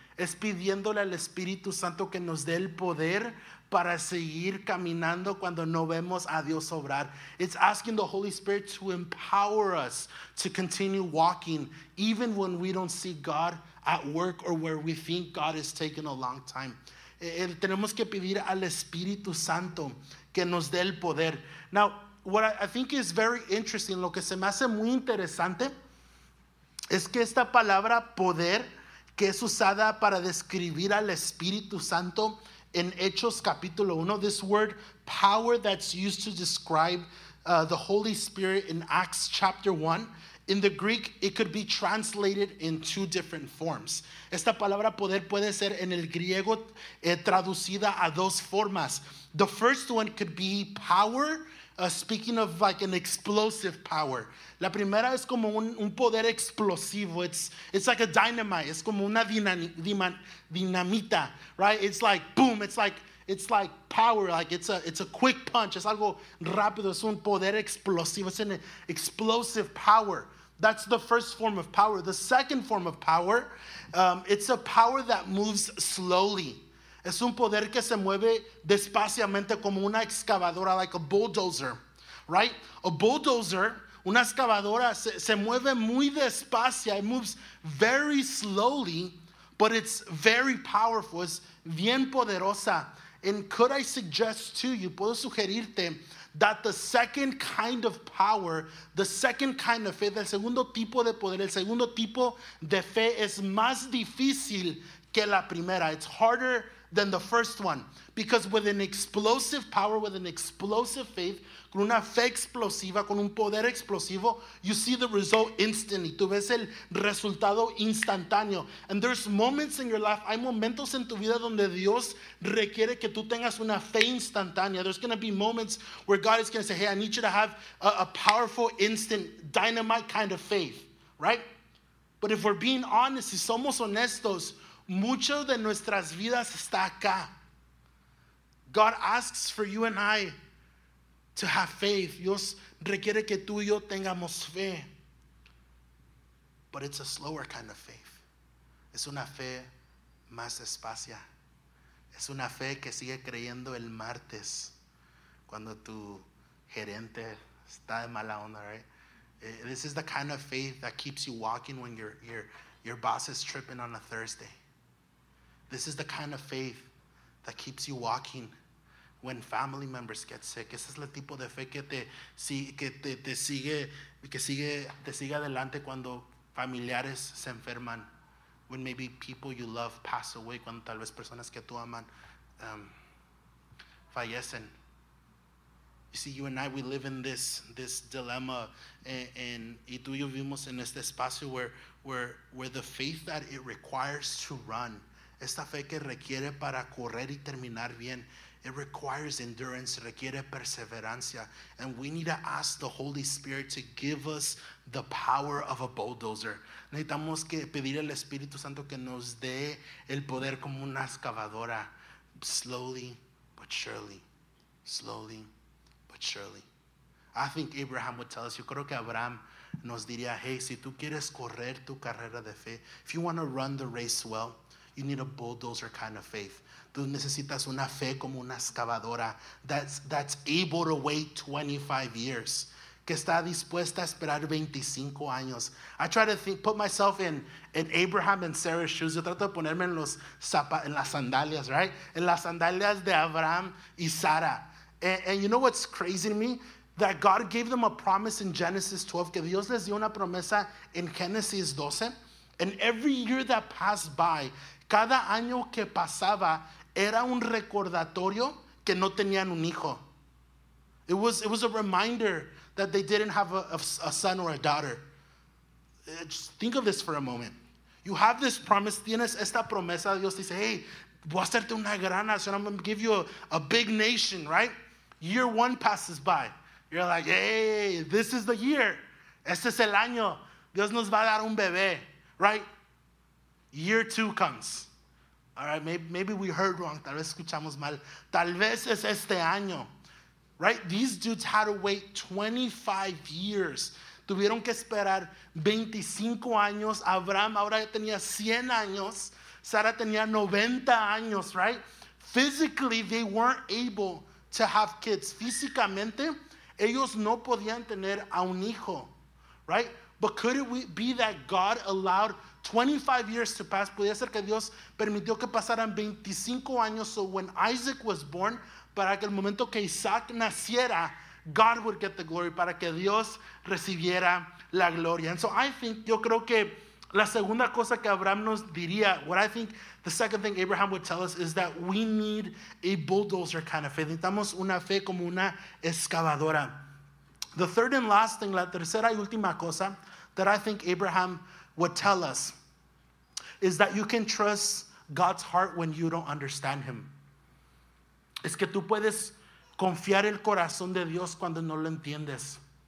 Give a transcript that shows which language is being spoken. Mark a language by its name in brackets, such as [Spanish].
[Spanish] Es pidiéndole al Espíritu Santo que nos dé el poder para seguir caminando cuando no vemos a Dios obrar. [English] It's asking the Holy Spirit to empower us to continue walking even when we don't see God at work or where we think God is taking a long time. [Spanish] Tenemos que pedir al Espíritu Santo que nos dé el poder. [English] Now, what I think is very interesting, [Spanish] lo que se me hace muy interesante es que esta palabra poder, que es usada para describir al Espíritu Santo en Hechos capítulo 1, [English] this word power that's used to describe the Holy Spirit in Acts chapter 1, in the Greek, it could be translated in two different forms. [Spanish] Esta palabra poder puede ser en el griego traducida a dos formas. [English] The first one could be power, speaking of like an explosive power. [Spanish] La primera es como un poder explosivo. [English] It's like a dynamite. [Spanish] Es como una dinamita, right? [English] It's like boom. It's like power. Like it's a quick punch. [Spanish] Es algo rápido. Es un poder explosivo. [English] It's an explosive power. That's the first form of power. The second form of power, it's a power that moves slowly. [Spanish] Es un poder que se mueve despaciamente como una excavadora, [English] like a bulldozer, right? A bulldozer, [Spanish] una excavadora, se mueve muy despacio. [English] It moves very slowly, but it's very powerful. [Spanish] Es bien poderosa. [English] And could I suggest to you, [Spanish] puedo sugerirte, [English] that the second kind of power, the second kind of faith, [Spanish] el segundo tipo de poder, el segundo tipo de fe es más difícil que la primera. [English] It's harder than the first one. Because with an explosive power, with an explosive faith, [Spanish] con una fe explosiva, con un poder explosivo, [English] you see the result instantly. [Spanish] Tú ves el resultado instantáneo. [English] And there's moments in your life, [Spanish] hay momentos en tu vida donde Dios requiere que tú tengas una fe instantánea. [English] There's going to be moments where God is going to say, hey, I need you to have a powerful, instant, dynamite kind of faith, right? But if we're being honest, [Spanish] si somos honestos, mucho de nuestras vidas está acá. [English] God asks for you and I to have faith. [Spanish] Dios requiere que tú y yo tengamos fe. [English] But it's a slower kind of faith. [Spanish] Es una fe más despacia. Es una fe que sigue creyendo el martes cuando tu gerente está de mala onda, right? [English] This is the kind of faith that keeps you walking when your boss is tripping on a Thursday. This is the kind of faith that keeps you walking when family members get sick. [Spanish] Ese es el tipo de fe que te sigue adelante cuando familiares se enferman. [English] When maybe people you love pass away. [Spanish] Cuando tal vez personas que tú aman fallecen. [English] You see, you and I, we live in this dilemma. [Spanish] Y tú y yo vivimos en este espacio [English] where the faith that it requires to run, [Spanish] esta fe que requiere para correr y terminar bien, [English] it requires endurance, [Spanish] requiere perseverancia. [English] And we need to ask the Holy Spirit to give us the power of a bulldozer. [Spanish] Necesitamos que pedir al Espíritu Santo que nos dé el poder como una excavadora. [English] Slowly but surely. Slowly but surely. I think Abraham would tell us, [Spanish] yo creo que Abraham nos diría, hey, si tú quieres correr tu carrera de fe, [English] if you want to run the race well, you need a bulldozer kind of faith. [Spanish] Tú necesitas una fe como una excavadora [English] that's able to wait 25 years. [Spanish] Que está dispuesta a esperar 25 años. [English] I try to think, put myself in Abraham and Sarah's shoes. [Spanish] Yo trato de ponerme en las sandalias, right? En las sandalias de Abraham y Sara. [English] And you know what's crazy to me? That God gave them a promise in Genesis 12. [Spanish] Que Dios les dio una promesa en Génesis 12. And every year that passed by, cada año que pasaba era un recordatorio que no tenían un hijo. [English] It was a reminder that they didn't have a son or a daughter. Just think of this for a moment. You have this promise. [Spanish] Tienes esta promesa. Dios dice, hey, voy a hacerte una gran nación. [English] I'm going to give you a big nation, right? Year one passes by. You're like, hey, this is the year. [Spanish] Este es el año. Dios nos va a dar un bebé, right? [English] Year two comes. All right, maybe we heard wrong. [Spanish] Tal vez escuchamos mal. Tal vez es este año, right? [English] These dudes had to wait 25 years. [Spanish] Tuvieron que esperar 25 años. Abraham ahora tenía 100 años. Sara tenía 90 años, right? [English] Physically, they weren't able to have kids. [Spanish] Físicamente, ellos no podían tener a un hijo, right? [English] But could it be that God allowed 25 years to pass? [Spanish] Podría ser que Dios permitió que pasaran 25 años [English] so when Isaac was born, [Spanish] para que el momento que Isaac naciera, [English] God would get the glory, [Spanish] para que Dios recibiera la gloria. [English] And so I think, [Spanish] yo creo que la segunda cosa que Abraham nos diría, [English] what I think the second thing Abraham would tell us is that we need a bulldozer kind of faith. [Spanish] Necesitamos una fe como una excavadora. [English] The third and last thing, [Spanish] la tercera y última cosa [English] that I think Abraham would tell us is that you can trust God's heart when you don't understand him. [Spanish] Es que tú puedes confiar el corazón de Dios cuando no lo entiendes.